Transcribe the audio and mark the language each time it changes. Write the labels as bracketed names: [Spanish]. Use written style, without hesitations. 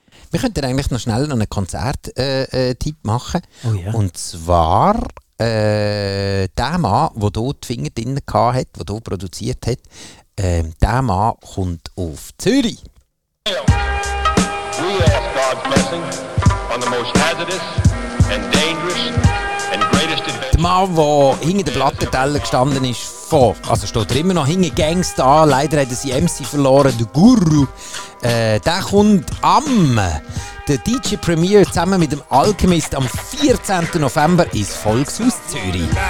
[German] Wir könnten eigentlich noch schnell einen Konzert-Tipp machen. Oh ja. Und zwar der Mann, der hier die Finger drin hatte, der hier produziert hat, der Mann kommt auf Zürich. [English] We ask God's blessing on the most hazardous and dangerous. [German] Der Mann, der hinter den Plattentellern gestanden ist, steht er immer noch hinter Gangstar, leider hat er sie MC verloren, der Guru, der kommt am der DJ Premier zusammen mit dem Alchemist am 14. November ins Volkshaus Zürich.